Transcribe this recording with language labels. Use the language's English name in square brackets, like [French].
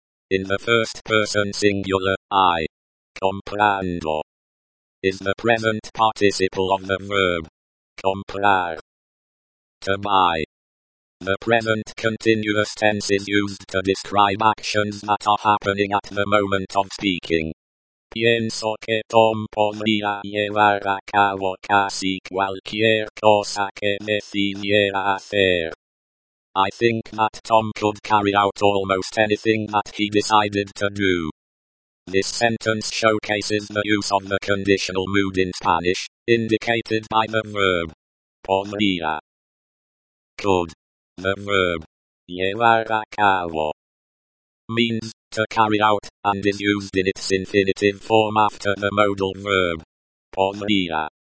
[English] In the first person singular, I, comprando, is the present participle of the verb comprar, to buy. The present continuous tense is used to describe actions that are happening at the moment of speaking. [Spanish] Pienso que Tom podría llevar a cabo casi cualquier cosa que decidiera hacer. [English] I think that Tom could carry out almost anything that he decided to do. This sentence showcases the use of the conditional mood in Spanish, indicated by the verb podría, could. The verb [Spanish] llevar a cabo [English] means to carry out, and is used in its infinitive form after the modal verb podría.